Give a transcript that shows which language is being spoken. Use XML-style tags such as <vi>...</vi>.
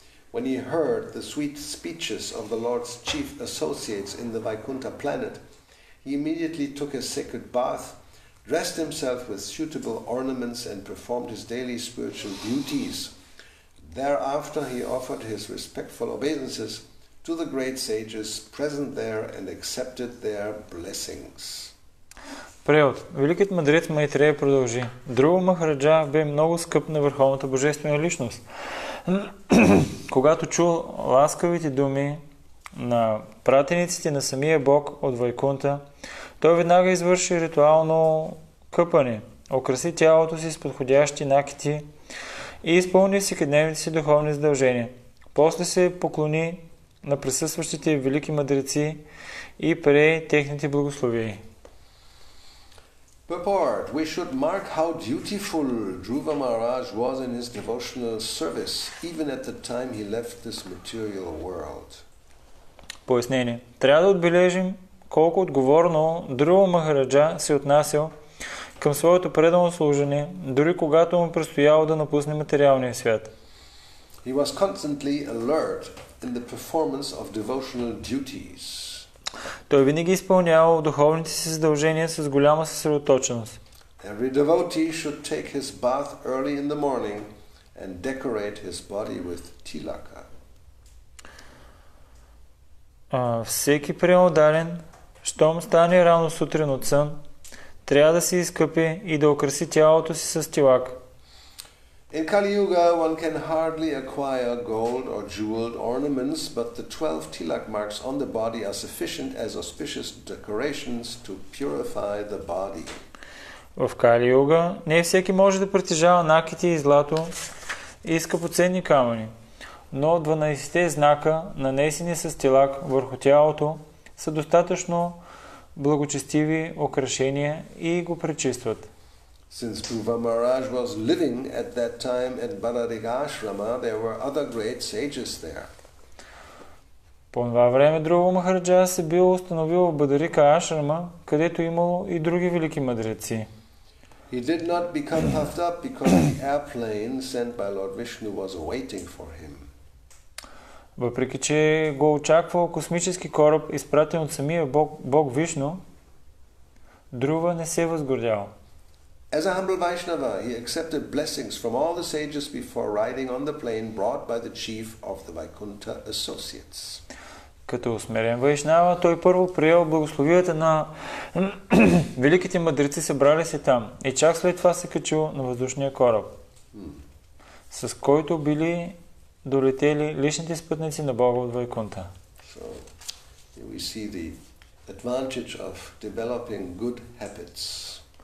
<en>When he heard the sweet speeches of the Lord's chief associates in the Vaikuntha planet, he immediately took his sacred bath, dressed himself with suitable ornaments and performed his daily spiritual duties. Thereafter, he offered his respectful obeisances to the great sages present there and accepted their blessings.</en> <bg>Превод. Великият мъдрец Майтрея продължи. Друва Махараджа бе много скъп на Върховната Божествена Личност. Когато чул ласкавите думи на пратениците на самия Бог от Вайкунта, той веднага извърши ритуално къпане, окраси тялото си с подходящи накити и изпълни всекидневните си духовни задължения. После се поклони на присъстващите велики мъдреци и пре техните благословия.</bg> <en>Purport. We should mark how dutiful Dhruva Maharaj was in his devotional service, even at the time he left this material world.</en> <bg>Пояснение. Трябва да отбележим колко отговорно Друва Махараджа се отнасял към своето предано служение, дори когато му предстояло да напусне материалния свят.</bg> <en>He was constantly alert in the performance of devotional duties.</en> <bg>Той винаги изпълнявал духовните си задължения с голяма съсредоточеност.</bg> <en>Every devotee should take his bath early in the morning and decorate his body with tilaka.</en> <bg>Всеки преподаден, щом стане рано сутрин от сън, трябва да се изкъпи и да украси тялото си с тилак.</bg> <en>In Kali Yuga, one can hardly acquire gold or jeweled ornaments, but the 12 tilak marks on the body are sufficient as auspicious decorations to purify the body.</en> <bg>В Кали Юга не всеки може да притежава накити и злато и скъпоценни камъни, но 12-те знака, нанесени с тилак върху тялото, са достатъчно благочестиви украшения и го пречистват.</bg> <en>Since Dhruva Maharaj was living at that time at Banarik Ashrama, there were other great sages there.</en> <bg>По това време Друва Махараджа се бил установил в Банарика Ашрама, където имало и други велики мъдреци.</bg> <en>He did not become puffed up because the airplane sent by Lord Vishnu was waiting for him.</en> <bg>Въпреки че го очаквал космически кораб, изпратен от самия Бог Вишну, Друва не се възгордял.</bg> <en>As a humble Vaishnava, he accepted blessings from all the sages before riding on the plane brought by the chief of the Vaikuntha associates.</en> <bg>Като усмирен Вайшнава, той първо приел благословията на великите мъдреци, събрали се там, и чак след това се качил на въздушния кораб, с който били долетели личните спътници на Бога от Вайкунта.</bg> <en>So, we see the advantage of developing good habits.</en>